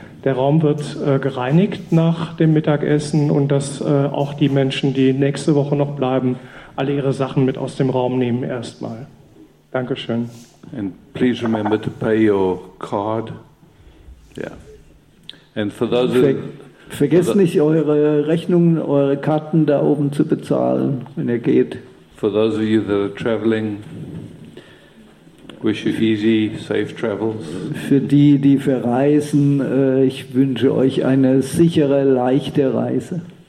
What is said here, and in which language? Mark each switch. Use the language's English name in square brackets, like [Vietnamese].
[German] Der Raum wird gereinigt nach dem Mittagessen und dass auch die Menschen, die nächste Woche noch bleiben, alle ihre Sachen mit aus dem Raum nehmen erstmal. Dankeschön. [English] And please remember to pay your card. Yeah. And for those [German] vergesst nicht eure Rechnungen, eure Karten da oben zu bezahlen, wenn ihr geht. [English] For those of you that are traveling, wish you easy, safe travels. [German] Für die, die verreisen, ich wünsche euch eine sichere, leichte Reise.